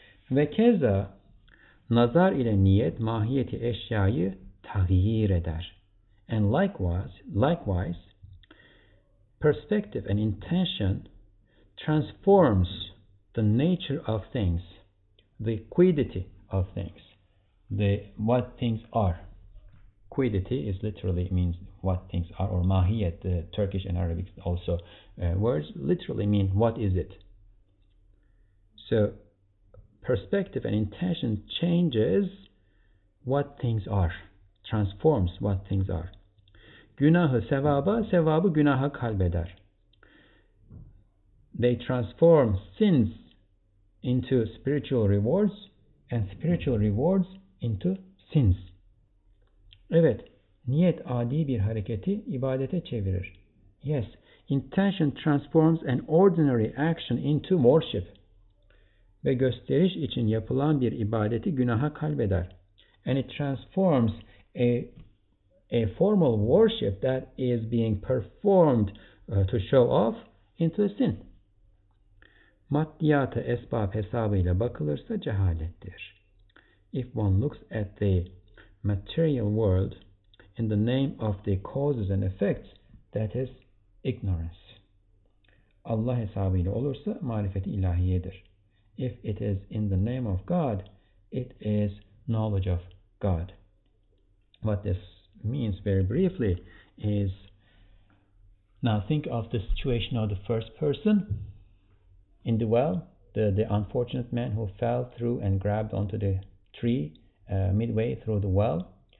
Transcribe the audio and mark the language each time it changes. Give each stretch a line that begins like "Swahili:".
Turkish: Ve keza nazar ile niyet mahiyeti eşyayı tağyir eder.
English: And likewise, perspective and intention transforms the nature of things, the quiddity of things, the what things are. Quiddity is literally means what things are, or mahiyet, the Turkish and Arabic also words literally mean what is it. So perspective and intention changes what things are, transforms what things are.
Turkish: Günahı sevaba, sevabı günaha kalbeder.
English: They transform sins into spiritual rewards and spiritual rewards into sins.
Turkish: Evet, niyet adi bir hareketi ibadete çevirir.
English: Yes, intention transforms an ordinary action into worship.
Turkish: Ve gösteriş için yapılan bir ibadeti günaha kalbeder.
English: And it transforms a formal worship that is being performed to show off into a sin.
Turkish: Maddiyata esbab hesabıyla bakılırsa cehalettir.
English: If one looks at the material world in the name of the causes and effects, that is ignorance.
Turkish: Allah hesabıyla olursa marifeti ilahiyedir.
English: If it is in the name of God, it is knowledge of God. What this means very briefly is, now think of the situation of the first person in the well, the unfortunate man who fell through and grabbed onto the tree midway through the well.